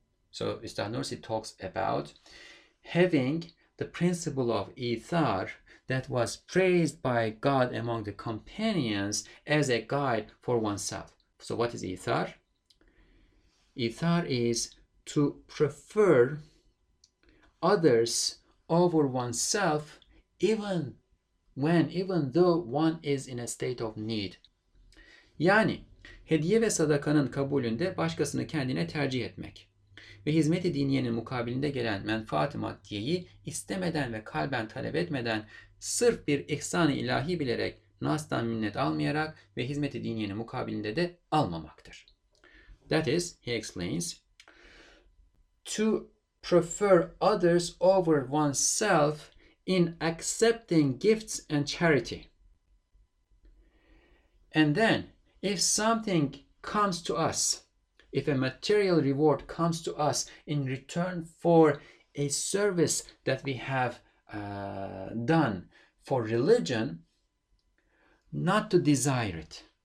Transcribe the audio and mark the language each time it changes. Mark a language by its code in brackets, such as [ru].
[en] So Üstad Nursi talks about having the principle of ithar that was praised by God among the companions as a guide for oneself. So what is ithar? Ithar is to prefer others over oneself even though one is in a state of need. [tr] Yani hediye ve sadakanın kabulünde başkasını kendine tercih etmek ve hizmet-i diniyenin mukabilinde gelen menfaat-ı maddiyeyi istemeden ve kalben talep etmeden sırf bir ihsan-ı ilahi bilerek nas'tan minnet almayarak ve hizmet-i diniyenin mukabilinde de almamaktır. [en] That is, he explains, to prefer others over oneself in accepting gifts and charity. And then, if something comes to us, if a material reward comes to us in return for a service that we have done for religion, not to desire it.